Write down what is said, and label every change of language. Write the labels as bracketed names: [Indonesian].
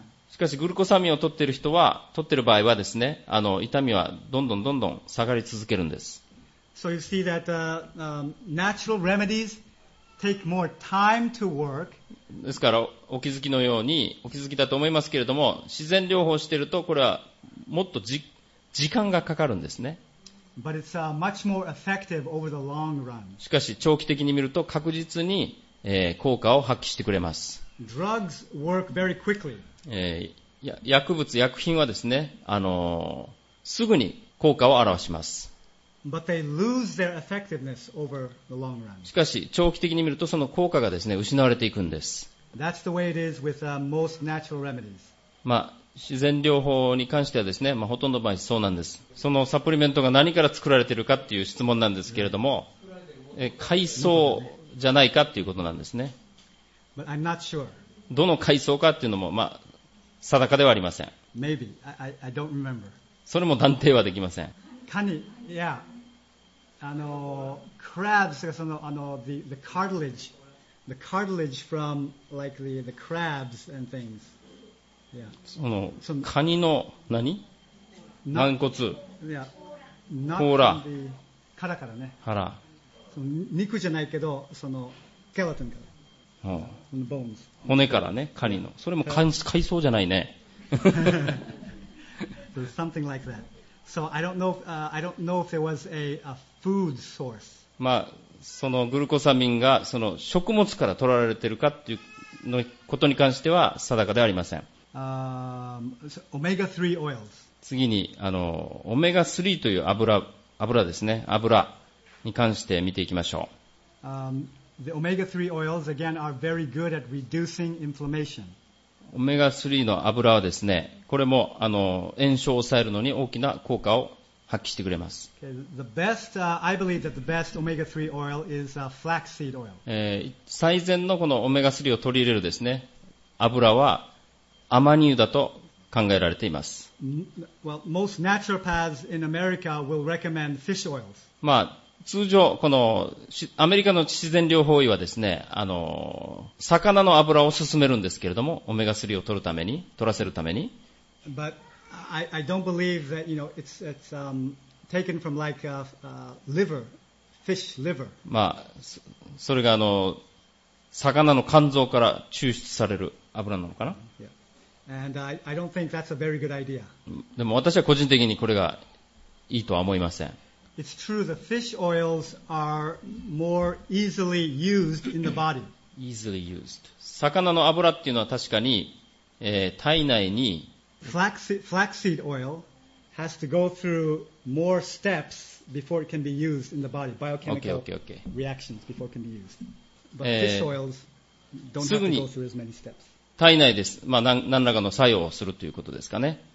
[Japanese] しかしグルコサミンを取っている人は取っている場合はですね、あの痛みはどんどんどんどん下がり続けるんです。 [English] So you see that, natural remedies take more time to work. [Japanese] ですからお気づきのようにお気づきだと思いますけれども、自然療法しているとこれはもっと時間がかかるんですね。 [English] But it's, much more effective over the long run. [Japanese] しかし長期的に見ると確実に、効果を発揮してくれます。 [English] Drugs work very quickly. [Japanese] 薬物薬品はですね、すぐに効果を表します。 [English] But they lose their effectiveness over the long run. [Japanese] しかし長期的に見るとその効果がですね、失われていくんです。 [English] That's the way it is with, most natural remedies. [Japanese] まあ自然療法に関してはですね、まあ、ほとんどの場合そうなんです。そのサプリメントが何から作られているかっていう質問なんですけれども、海藻じゃないかっていうことなんですね。 [English] But I'm not sure. [Japanese] どの海藻かっていうのも、まあ、定かではありません。 [English] Maybe. I don't remember. [Japanese] それも断定はできません。カニ、いや、クラブスがその、 [English] the cartilage, the cartilage from like the crabs and things. Yeah. [Japanese] その、カニの何？軟骨。いや、甲羅。殻からね。腹。その肉じゃないけど、その、スケルトンから。うん。 [English] bones。 [Japanese] 骨からね、カニの。それも海藻じゃないね。 [English] So something like that. So I don't know, I don't know if there was a food source. [Japanese] まあそのグルコサミンがその食物から取られているかっていうのことに関しては定かではありません。 [English] Omega 3 oils. [Japanese] 次にあのオメガ3という油ですね、油に関して見ていきましょう。 [English] The omega 3 oils again are very good at reducing inflammation. [Japanese] オメガ3の油はですね、これもあの炎症を抑えるのに大きな効果を発揮してくれます。 [English] Okay. The best, I believe that the best omega 3 oil is flaxseed oil. [Japanese] 最善のこのオメガ3を取り入れるですね、油はアマニ油だと考えられています。 [English] Well, most naturopaths in America will recommend fish oils. [Japanese] まあ通常このアメリカの自然療法医はですね、あの魚の油を勧めるんですけれども、オメガ3を取るために、取らせるために。 [English] But I don't believe that, you know, it's taken from like a liver, fish liver. [Japanese] まあそれがあの魚の肝臓から抽出される油なのかな。 [English] Yeah. And I don't think that's a very good idea. [Japanese] でも私は個人的にこれがいいとは思いません。 [English] It's true that fish oils are more easily used in the body. Easily used. [Japanese] 魚の油っていうのは確かに、体内に。 [English] Flaxseed oil has to go through more steps before it can be used in the body. Biochemical reactions before it can be used. But fish oils. [Japanese] すぐに体内です、まあ、何らかの作用をするということですかね。